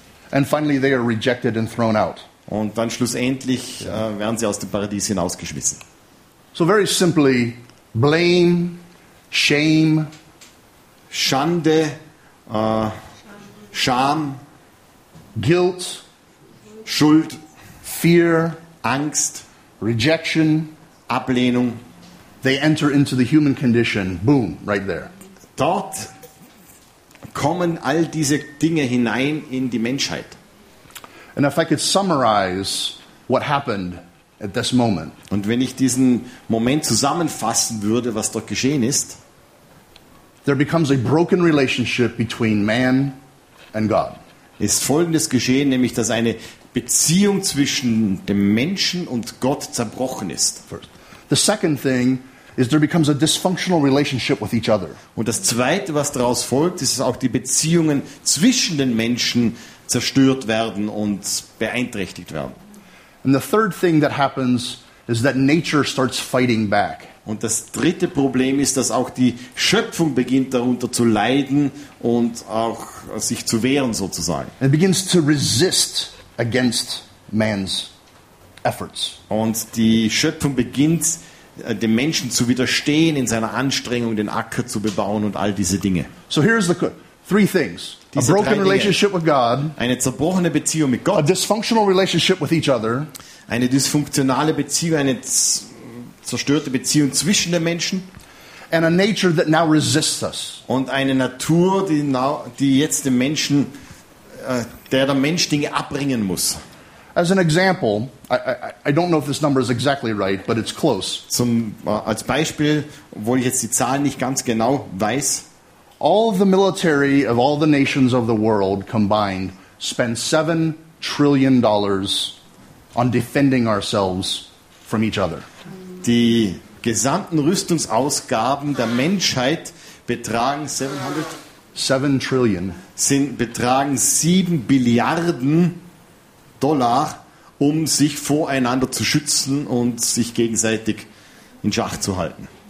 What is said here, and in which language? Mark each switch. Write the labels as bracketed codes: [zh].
[en] And finally they are rejected and thrown out. [de] Und dann schlussendlich werden sie aus dem Paradies hinausgeschmissen. [en] So very simply, blame, shame, [de] Schande, Scham, [en] guilt, [de] Schuld, [en] fear, [de] Angst, [en] rejection, [de] Ablehnung. [en] They enter into the human condition. Boom, right there. [de] Dort kommen all diese Dinge hinein in die Menschheit. [en] And if I could summarize what happened at this moment. [de] Und wenn ich diesen Moment zusammenfassen würde, was dort geschehen ist, [en] there becomes a broken relationship between man and God. [de] Ist Folgendes geschehen, nämlich dass eine Beziehung zwischen dem Menschen und Gott zerbrochen ist. [en] First. The second thing is there becomes a dysfunctional relationship with each other. [de] Und das zweite, was daraus folgt, ist auch die Beziehungen zwischen den Menschen zerstört werden und beeinträchtigt werden. [en] And the third thing that happens is that nature starts fighting back. [de] Und das dritte Problem ist, dass auch die Schöpfung beginnt darunter zu leiden und auch sich zu wehren sozusagen. [en] It begins to resist against man's efforts. [de] Und die Schöpfung beginnt dem Menschen zu widerstehen in seiner Anstrengung, den Acker zu bebauen und all diese Dinge. [en] So here's the three things. [de] Diese [en] a broken relationship with God, [de] eine zerbrochene Beziehung mit Gott, [en] a dysfunctional relationship with each other, [de] eine dysfunktionale Beziehung, eine zerstörte Beziehung zwischen den Menschen, [en] and a nature that now resists us, [de] und eine Natur, die jetzt dem Menschen, der Mensch Dinge abbringen muss. [en] As an example, I don't know if this number is exactly right, but it's close. [de] Als Beispiel, obwohl ich jetzt die Zahlen nicht ganz genau weiß. [en] All the military of all the nations of the world combined spend $7 trillion on defending ourselves from each other. [de] Die gesamten Rüstungsausgaben der Menschheit betragen [en] 7 trillion. [de] Betragen 7 Billiarden Dollar, um sich voreinander zu schützen und sich gegenseitig in Schach zu halten.